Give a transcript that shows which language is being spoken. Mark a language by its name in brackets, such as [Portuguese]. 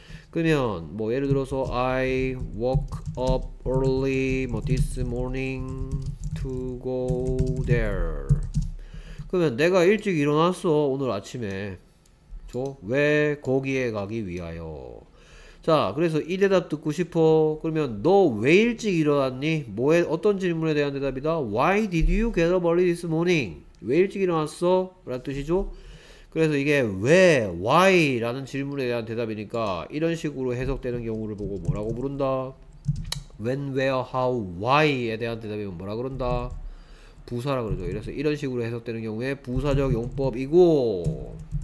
[Korean] 그러면 뭐 예를 들어서 [English] I woke up early this morning to go there. [Korean] 그러면 내가 일찍 일어났어 오늘 아침에. 저? 왜 거기에 가기 위하여? 자, 그래서 이 대답 듣고 싶어. 그러면 너왜 일찍 일어났니? 뭐에 어떤 질문에 대한 대답이다. [English] Why did you get up early this morning? [Korean] 왜 일찍 일어났어? 라는 뜻이죠. 그래서 이게 왜, why라는 질문에 대한 대답이니까 이런 식으로 해석되는 경우를 보고 뭐라고 부른다? When, where, how, why에 대한 대답이면 뭐라 그런다? 부사라 그러죠. 이래서 이런 식으로 해석되는 경우에 부사적 용법이고.